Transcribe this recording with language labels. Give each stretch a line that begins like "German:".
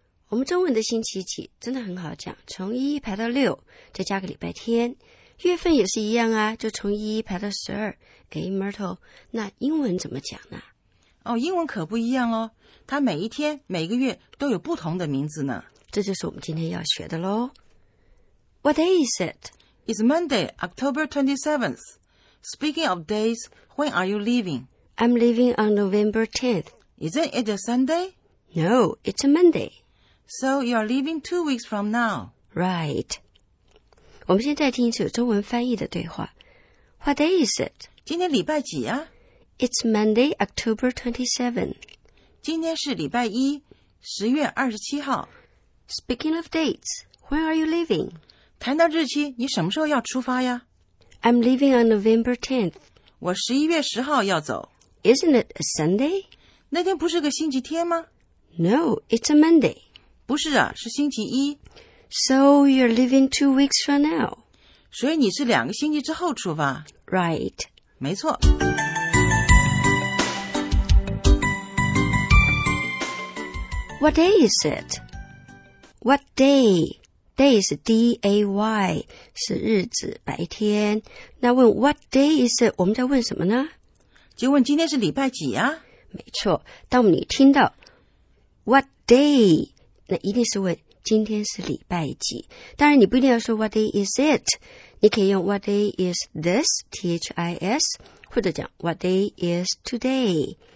Chinese: 我们中文的星期几真的很好讲，从一排到六，再加个礼拜天。月份也是一样啊，就从一排到十二。给 Myrtle， 那英文怎么讲呢？哦，英文可不一样咯，它每一天每个月都有不同的名字呢。这就是我们今天要学的咯。
English: What day is it? It's Monday, October 27th. Speaking of days, when are you leaving? I'm leaving on November 10th. Isn't it a Sunday? No, it's a Monday. So you are leaving 2 weeks from now. Right.
Chinese: 我们现在听一次有中文翻译的对话。
English: What day is it?
Chinese: 今天礼拜几啊？
English: It's Monday, October 27.
Chinese: 今天是礼拜一，十月二十七号。
English: Speaking of dates, when are you leaving?
Chinese: 谈到日期，你什么时候要出发呀？
English: I'm leaving on November 10th.
Chinese: 我十一月十号要走。
English: Isn't it a Sunday?
Chinese: 那天不是个星期天吗？
English: No, it's a Monday.
Chinese: 不是啊，是星期一。
English: So you're leaving 2 weeks from now.
Chinese: 所以你是两个星期之后出发。
English: Right.
Chinese: 没错。
English: What day is it? What day? Day is D-A-Y,
Chinese: 是日子，白天。那问
English: what day is it?
Chinese: 我们在问什么呢？就问今天是礼拜几啊？没错，当你听到
English: what day?
Chinese: 那一定是问今天是礼拜几。当然你不一定要说
English: what day is it?
Chinese: 你可以用
English: what day is this,
Chinese: T-H-I-S, 或者讲
English: what day is today?